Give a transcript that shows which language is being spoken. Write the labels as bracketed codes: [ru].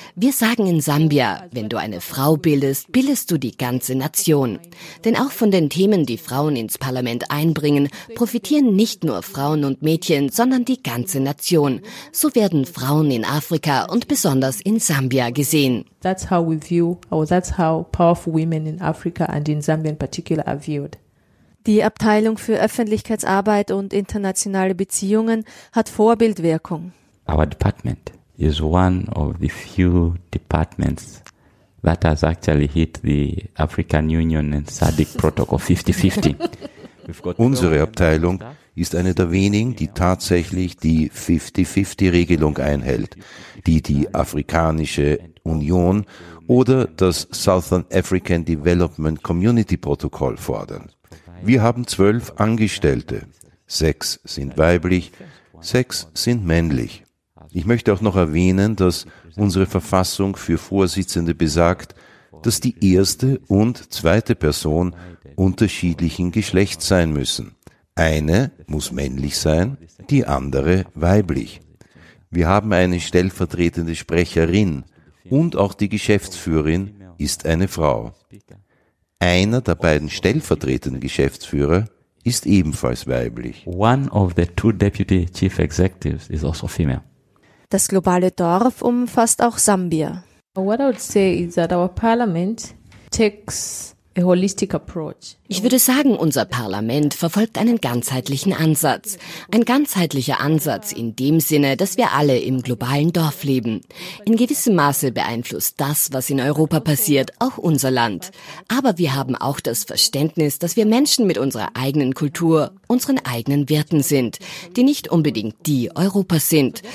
[de] Wir sagen in Sambia, wenn du eine Frau bildest, bildest du die ganze Nation. Denn auch von den Themen, die Frauen ins Parlament einbringen, profitieren nicht nur Frauen und Mädchen, sondern die ganze Nation. So werden Frauen in Afrika und besonders in Sambia gesehen. [en] That's how we view, or that's how powerful women in Africa and in Zambia in particular are viewed. [de] Die Abteilung für Öffentlichkeitsarbeit und internationale Beziehungen hat Vorbildwirkung. [en] Our department is one of the few departments that has actually hit the African Union and SADC Protocol 50-50. [de] Unsere Abteilung ist eine der wenigen, die tatsächlich die 50-50-Regelung einhält, die die Afrikanische Union oder das Southern African Development Community Protokoll fordern. Wir haben 12 Angestellte, 6 sind weiblich, 6 sind männlich. Ich möchte auch noch erwähnen, dass unsere Verfassung für Vorsitzende besagt, dass die erste und zweite Person unterschiedlichen Geschlechts sein müssen. Eine muss männlich sein, die andere weiblich. Wir haben eine stellvertretende Sprecherin und auch die Geschäftsführerin ist eine Frau. Einer der beiden stellvertretenden Geschäftsführer ist ebenfalls weiblich. [en] One of the two deputy chief executives is also female. [de] Das globale Dorf umfasst auch Sambia. [en] What I would say is that our parliament takes a holistic approach. [de] Ich würde sagen, unser Parlament verfolgt einen ganzheitlichen Ansatz. Ein ganzheitlicher Ansatz in dem Sinne, dass wir alle im globalen Dorf leben. In gewissem Maße beeinflusst das, was in Europa passiert, auch unser Land. Aber wir haben auch das Verständnis, dass wir Menschen mit unserer eigenen Kultur, unseren eigenen Werten sind, die nicht unbedingt die Europas sind.